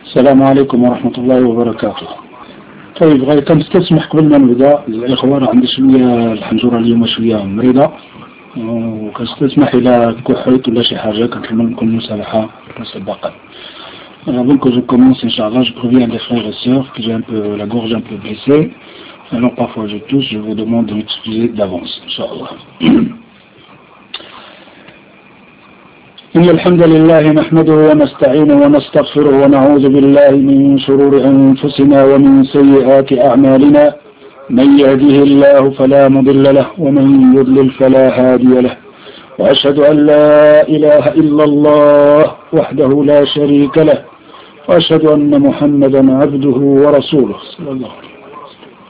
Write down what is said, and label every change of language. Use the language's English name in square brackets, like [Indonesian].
[Arabic] السلام عليكم ورحمة الله وبركاته. طيب غير كان تسمح قبل ما نبدأ الإخوة، عندي شوية الحنجرة اليوم شوية مريضة، وكان تسمح إلى كحيت ولا شي حاجة، كنتمنى نكون مسامحة مسبقا. [French] Avant que je commence, Inch'Allah, je préviens les frères et sœurs que j'ai un peu la gorge un peu blessée. Alors parfois je tousse, je vous demande de m'excuser d'avance, Inch'Allah. [Arabic] إن الحمد لله نحمده ونستعينه ونستغفره ونعوذ بالله من شرور أنفسنا ومن سيئات أعمالنا، من يهده الله فلا مضل له ومن يضلل فلا هادي له، وأشهد أن لا إله إلا الله وحده لا شريك له، وأشهد أن محمدا عبده ورسوله صلى الله عليه وسلم.